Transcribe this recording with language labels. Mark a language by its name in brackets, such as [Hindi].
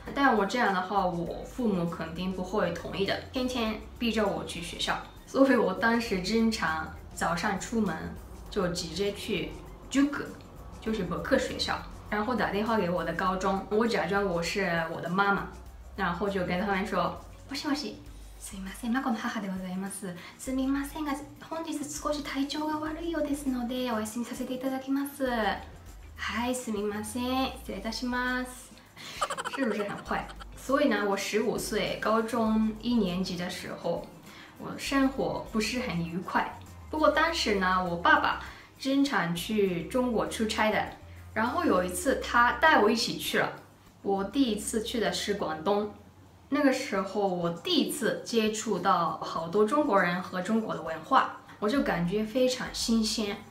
[Chinese] 但我这样的话，我父母肯定不会同意的，天天逼着我去学校。所以我当时经常早上出门就直接去 JUG， 就是本科学校，然后打电话给我的高中，我假装我是我的妈妈，然后就跟他们说， [Japanese] もしもし、すいません、孫の母でございます。すみませんが、本日少し体調が悪いようですので、お休みさせていただきます。はい、すみません、失礼いたします。 [Chinese] 是不是很坏？所以呢，我十五岁，高中一年级的时候，我生活不是很愉快。不过当时呢，我爸爸经常去中国出差的，然后有一次他带我一起去了。我第一次去的是广东，那个时候我第一次接触到好多中国人和中国的文化，我就感觉非常新鲜。